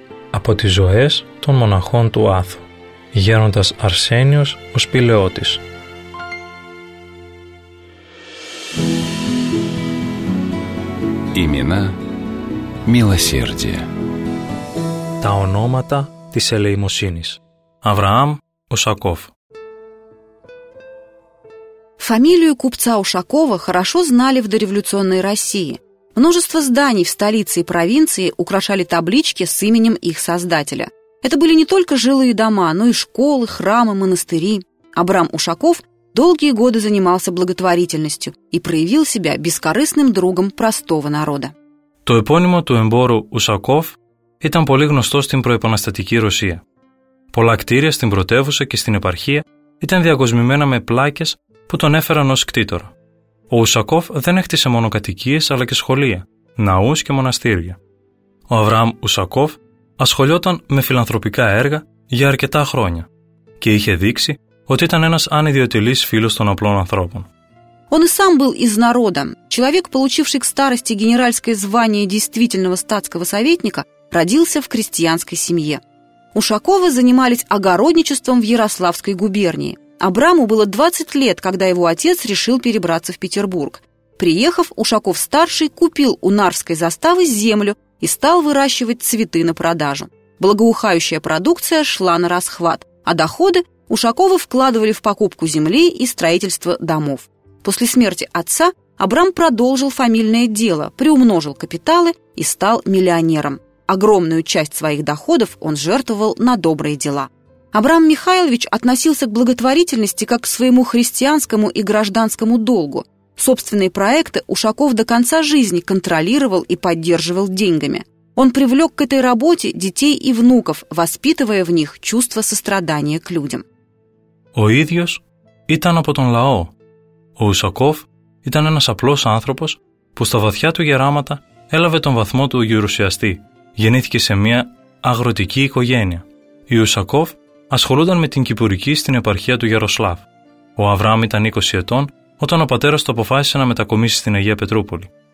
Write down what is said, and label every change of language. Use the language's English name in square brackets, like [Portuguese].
[Greek] Από τις ζωές των μοναχών του Άθου. Γέροντας Αρσένιος ο Σπηλαιώτης. [Russian] Имена милосердия. [Greek] Τα ονόματα της ελεημοσύνης. [Russian] Авраам Ушаков. Фамилию купца Ушакова хорошо знали в дореволюционной России. Множество зданий в столице и провинции украшали таблички с именем их создателя. Это были не только жилые дома, но и школы, храмы, монастыри. Абрам Ушаков долгие годы занимался благотворительностью и проявил себя бескорыстным другом простого народа. [Greek] То эпонимо ту эмбору Ушаков ήταν πολύ γνωστό στην προεπαναστατική Ρωσία. Πολλά κτίρια στην πρωτεύουσα και στην επαρχία ήταν διακοσμημένα με πλάκες που τον έφεραν ως κτήτορο. Ο Ουσακόφ δεν έκτισε μόνο κατοικίες αλλά και σχολεία, ναούς και μοναστήρια. Ο Αβραάμ Ουσακόφ ασχολιόταν με φιλανθρωπικά έργα για αρκετά χρόνια και είχε δείξει ότι ήταν ένας ανιδιοτελής φίλος των απλών ανθρώπων. [Russian] Он и сам был из народа. Человек, получивший к старости генеральское звание действительного статского советника, родился в крестьянской семье. Ушаковы занимались огородничеством в Ярославской губернии. Абраму было 20 лет, когда его отец решил перебраться в Петербург. Приехав, Ушаков-старший купил у Нарвской заставы землю и стал выращивать цветы на продажу. Благоухающая продукция шла на расхват, а доходы Ушаковы вкладывали в покупку земли и строительство домов. После смерти отца Абрам продолжил фамильное дело, приумножил капиталы и стал миллионером. Огромную часть своих доходов он жертвовал на добрые дела. Абрам Михайлович относился к благотворительности как к своему христианскому и гражданскому долгу. Собственные проекты Ушаков до конца жизни контролировал и поддерживал деньгами. Он привлек к этой работе детей и внуков, воспитывая в них чувство сострадания к людям. [Greek] Ο ίδιος ήταν από τον λαό. Ο Ουσακόφ ήταν ένας απλός άνθρωπος που στα βαθιά του γεράματα έλαβε τον βαθμό του γερουσιαστή. Γεννήθηκε σε μια αγροτική οικογένεια. Οι Ουσακόφ ασχολούνταν με την κυπουρική στην επαρχία του Γεροσλάβ. Ο Αβραάμ ήταν 20 ετών όταν ο πατέρας του αποφάσισε να μετακομίσει στην Αγία Πετρούπολη.